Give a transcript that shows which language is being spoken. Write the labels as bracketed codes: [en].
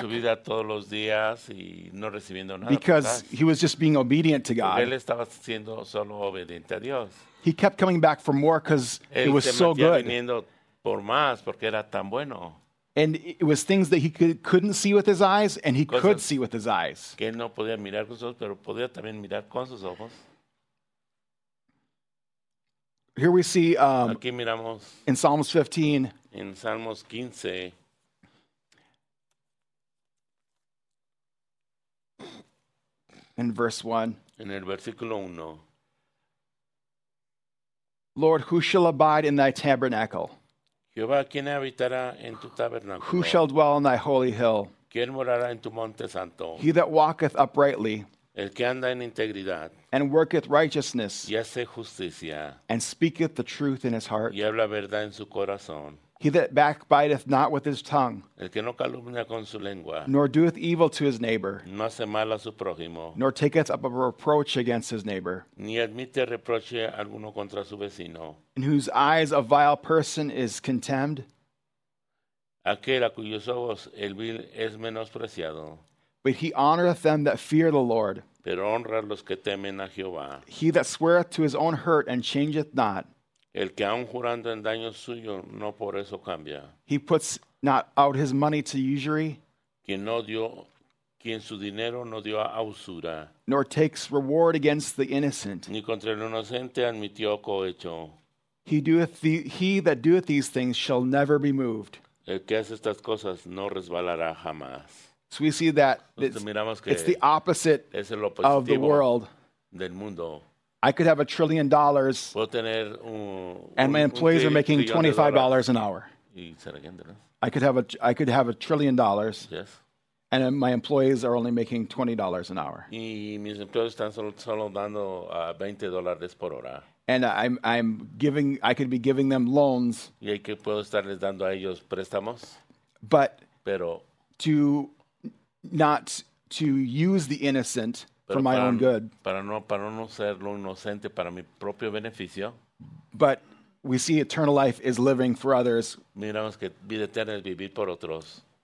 [es] Su vida todos los días y no recibiendo nada [en] because he was just being obedient to God. [es] Él estaba siendo solo obediente a Dios. [en] He kept coming back for more because it was so good. [es] Viniendo por más porque era tan bueno. [en] And it was things that he couldn't see with his eyes, and he [es] cosas [en] could see with his eyes. [es] Que no podía mirar con sus ojos, pero podía también mirar con sus ojos. [en] Here we see [es] aquí miramos [en] in Psalms 15. [es] En Salmos 15. [en] In verse 1. [es] En el versículo 1. [en] Lord, who shall abide in thy tabernacle? [es] Jehová, ¿quién habitará en tu tabernáculo? [en] Who shall dwell on thy holy hill? [es] ¿Quién morará en tu monte santo? [en] He that walketh uprightly. [es] El que anda en integridad. [en] And worketh righteousness. [es] Y hace justicia. [en] And speaketh the truth in his heart. [es] Y habla verdad en su corazón. [en] He that backbiteth not with his tongue, [es] el que no calumnia con su lengua, [en] nor doeth evil to his neighbor, [es] no hace mal a su prójimo, [en] nor taketh up a reproach against his neighbor, [es] ni admite reproche alguno contra su vecino, [en] in whose eyes a vile person is contemned, [es] aquel a cuyos ojos el vil es menospreciado, [en] but he honoreth them that fear the Lord, [es] pero honra los que temen a Jehová. [en] He that sweareth to his own hurt and changeth not, [es] el que aun jurando en daño suyo, no por eso cambia. [en] He puts not out his money to usury. [es] Quien no dio, quien su dinero no dio a usura. [en] Nor takes reward against the innocent. [es] Ni contra el inocente admitió cohecho. [en] He that doeth these things shall never be moved. [es] El que hace estas cosas no resbalará jamás. [en] So we see that it's the opposite of the world. [es] Del mundo. [en] I could have $1 trillion and my employees are making $25 an hour. I could have $1 trillion, yes, and my employees are only making $20 an hour. [es] Y mis empleados están solo dando $20 por hora. [en] And I could be giving them loans. [es] Y que puedo estarles dando a ellos préstamos. [en] But [es] pero [en] to not to use the innocent. For my own good. [es] Para no ser lo inocente para mi propio beneficio. [en] But we see eternal life is living for others. [es] Miramos que vida eterna es vivir por otros.